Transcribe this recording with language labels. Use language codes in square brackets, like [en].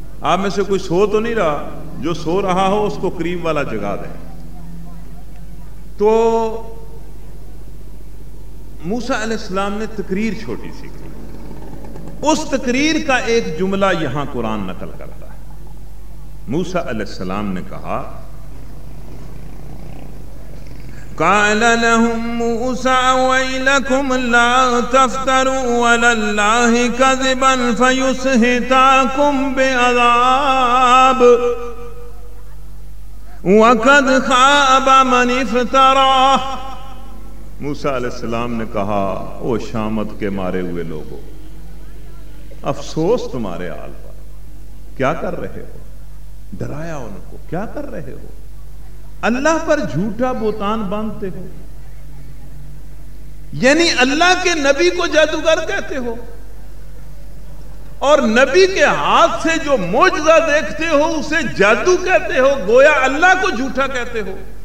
[ur] آپ میں سے کوئی سو تو نہیں رہا؟ جو سو رہا ہو اس کو قریب والا جگا دیں. تو موسیٰ علیہ السلام نے تقریر چھوٹی سی کی، اس تقریر کا ایک جملہ یہاں قرآن نقل کرتا ہے. موسیٰ علیہ السلام نے کہا، [ar] قال لهم موسى ويلكم لا تفتروا على الله كذبا فيسحتكم بعذاب وقد خاب من افترى. [ur] موسى علیہ السلام نے کہا، او شامت کے مارے ہوئے لوگوں، افسوس تمہارے حال پر، کیا کر رہے ہو؟ ڈرایا ان کو، کیا کر رہے ہو؟ اللہ پر جھوٹا بوتان باندھتے ہو، یعنی اللہ کے نبی کو جادوگر کہتے ہو، اور نبی کے ہاتھ سے جو معجزہ دیکھتے ہو اسے جادو کہتے ہو، گویا اللہ کو جھوٹا کہتے ہو.